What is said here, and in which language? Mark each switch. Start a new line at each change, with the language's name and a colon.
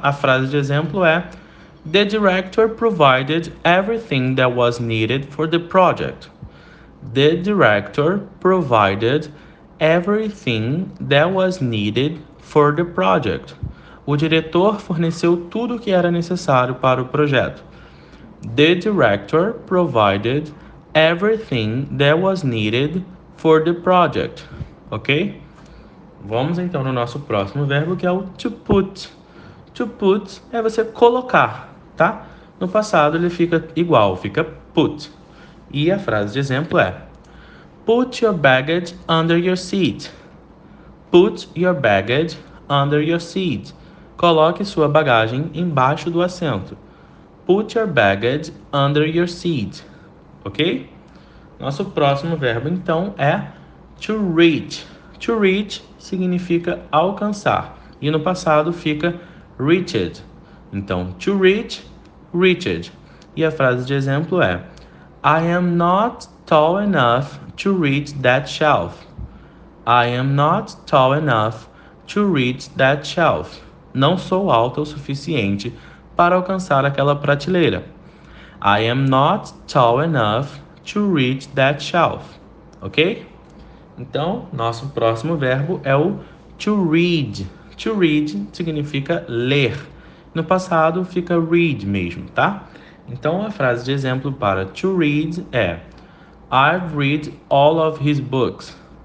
Portuguese: A frase de exemplo é:
English: The director provided everything that was needed for the project. The director provided everything that was needed for the project.
Portuguese: O diretor forneceu tudo o que era necessário para o projeto.
English: The director provided everything that was needed for the project. Ok?
Portuguese: Vamos então no nosso próximo verbo, que é o to put. To put é você colocar, tá? No passado ele fica igual, fica put. E a frase de exemplo é:
English: Put your baggage under your seat. Put your baggage under your seat.
Portuguese: Coloque sua bagagem embaixo do assento.
English: Put your baggage under your seat. Ok?
Portuguese: Nosso próximo verbo, então, é to reach. To reach significa alcançar. E no passado fica reached.
English: Então, to reach, reached.
Portuguese: E a frase de exemplo é:
English: I am not tall enough to reach that shelf. I am not tall enough to reach that shelf.
Portuguese: Não sou alto o suficiente para alcançar aquela prateleira.
English: I am not tall enough to reach that shelf. Ok?
Portuguese: Então, nosso próximo verbo é o to read. To read significa ler. No passado, fica read mesmo, tá? Então, a frase de exemplo para to read é:
English: I've read all of his books.